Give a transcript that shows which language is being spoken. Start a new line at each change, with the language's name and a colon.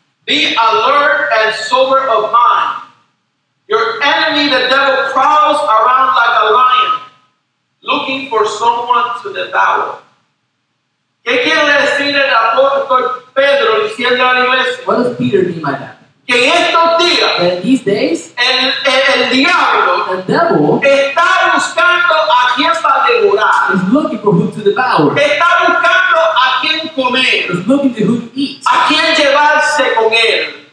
English: be alert and sober of mind. Your enemy, the devil, prowls around like a lion, looking for someone to devour.
Spanish: ¿Qué quiere decir el apóstol Pedro diciendo a la iglesia?
English: What does Peter mean by that?
Spanish: Que en estos días,
English: in these days,
Spanish: el diablo,
English: the devil,
Spanish: está buscando a quien va a devorar.
English: Is looking for who to devour.
Spanish: Está buscando a quien comer.
English: Is looking to who to eat.
Spanish: A quien llevarse con él.